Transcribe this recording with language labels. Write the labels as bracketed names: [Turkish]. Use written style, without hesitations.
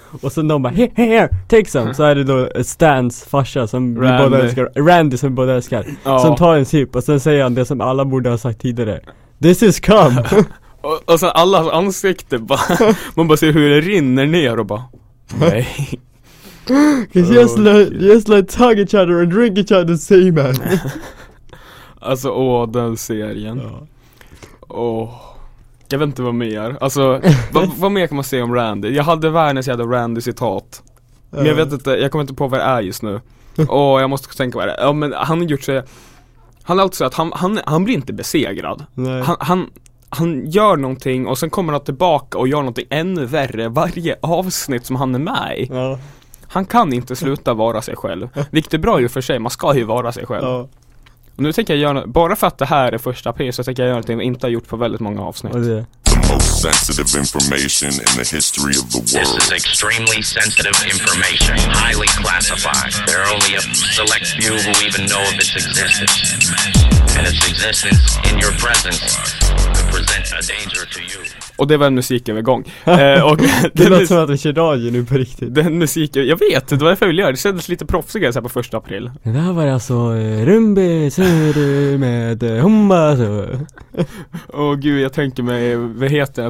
[Swedish] Och sen de bara, [English] here, take some. [Swedish] Så är det då Stans farsa som Randy. Vi båda älskar. Randy som vi båda älskar. Ja. Som tar en sip och sen säger han det som alla borde ha sagt tidigare. [English] This is cum. [Swedish] och sen alla ansikte bara, man bara ser hur det rinner ner och bara, nej. [English] Cause just like tug each other and drink each other the same man. [Swedish] Alltså den serien. Jag vet inte vad mer. Alltså vad mer kan man säga om Randy? Jag hade världens jävla Randy citat. Men jag vet inte, jag kommer inte på vad det är just nu. Jag måste tänka vad det är. Men han har gjort sig. Han har alltid sagt att han blir inte besegrad. Han gör någonting och sen kommer han tillbaka och gör någonting ännu värre varje avsnitt som han är med i. Han kan inte sluta vara sig själv. Vilket är bra ju för sig, man ska ju vara sig själv. Och nu tänker jag göra, bara för att det här är första april, så tänker jag göra någonting vi inte har gjort på väldigt många avsnitt. [English] Oh, yeah. The most sensitive information in the history of the world. This is extremely sensitive information, highly classified. There are only a select few who even know of its existence. And its existence in your presence could present a danger to you. [Swedish] Och det var en musikövergång. det låter som att vi kör radio nu på riktigt. Den musiken, jag vet, det var därför jag ville göra. Det kändes lite proffsigare såhär på 1 april. Det här var alltså Rumbi Suru med Humba. Åh gud, jag tänker mig, vad heter det?